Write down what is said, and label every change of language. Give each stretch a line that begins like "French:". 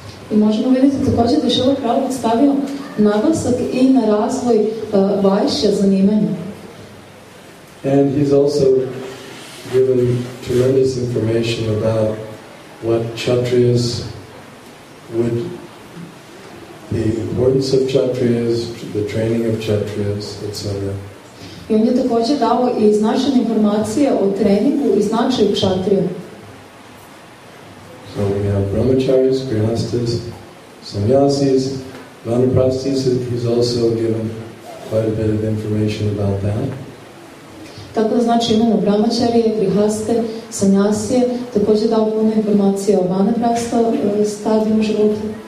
Serbian: I možemo vidjeti također da je Šila Prabhupada stavio naglasak i na razvoj Vaishya zanimanja.
English: And he's also given tremendous information about what Kshatriyas would, the importance of Kshatriyas, the training of Kshatriyas, etc.
Serbian: I on je također dao i značajne informacije o treningu i značaju Kshatriya.
English: So we have Brahmacharyas, Grihasthas, Sannyasis, Vanaprasthis, he's also given quite a bit of information about that.
Serbian: Tako znači imamo Brahmacharije, Grihaste, Sannyasije, također dao puno informacije o Vanaprastha stadiju života.